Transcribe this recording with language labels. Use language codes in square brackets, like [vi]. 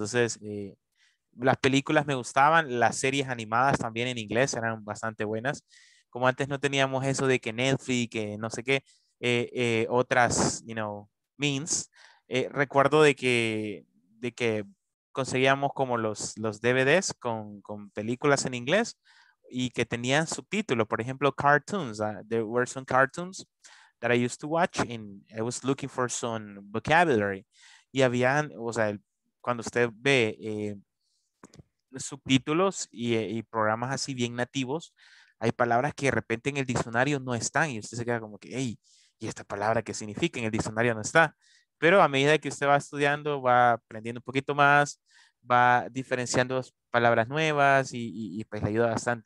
[es] Entonces, las películas me gustaban, las series animadas también en inglés eran bastante buenas. Como antes no teníamos eso de que Netflix, que no sé qué, otras, means, recuerdo de que conseguíamos como los DVDs con películas en inglés. Y que tenían subtítulos, por ejemplo, cartoons. [en] There were some cartoons that I used to watch and I was looking for some vocabulary. [es] Y habían, o sea, cuando usted ve subtítulos y programas así bien nativos, hay palabras que de repente en el diccionario no están y usted se queda como que, hey, ¿y esta palabra qué significa? En el diccionario no está. Pero a medida que usted va estudiando, va aprendiendo un poquito más, va diferenciando palabras nuevas y pues le ayuda bastante.